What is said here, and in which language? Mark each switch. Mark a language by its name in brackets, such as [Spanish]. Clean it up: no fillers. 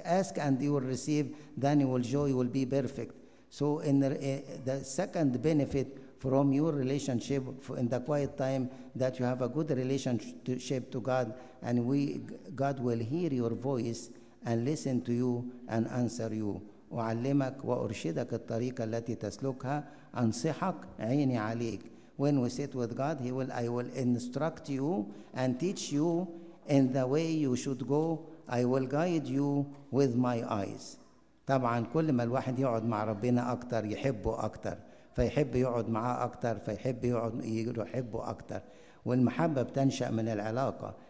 [English] Ask and you will receive, then your joy will be perfect. So in the second benefit from your relationship in the quiet time, that you have a good relationship to God, and God will hear your voice and listen to you and answer you. [Arabic] وعلمك وأرشدك الطريقة التي تسلكها أنصحك عيني عليك. [English] When we sit with God, I will instruct you and teach you in the way you should go. I will guide you with my eyes. [Arabic] طبعا كل ما الواحد يقعد مع ربنا أكتر يحبه أكتر فيحب يقعد معاه أكتر فيحب يقعد يحبه أكتر. والمحبة بتنشأ من العلاقة.